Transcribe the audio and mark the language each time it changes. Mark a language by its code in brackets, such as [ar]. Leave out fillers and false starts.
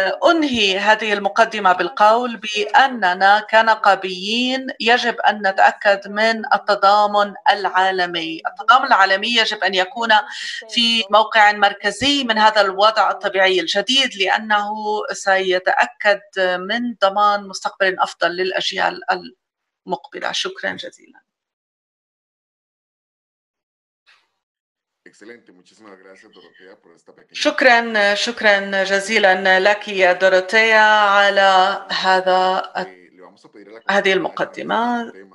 [ar] أنهي هذه المقدمة بالقول بأننا كنقابيين يجب أن نتأكد من التضامن العالمي. التضامن العالمي يجب أن يكون في موقع مركزي من هذا الوضع الطبيعي الجديد، لأنه سيتأكد من ضمان مستقبل أفضل للأجيال المقبلة. شكرا جزيلا. [es] Excelente, muchísimas gracias Dorotea por esta pequeña. [ar] شكرا شكرا جزيلا لك يا دوروتيا على هذا هذه المقدمة.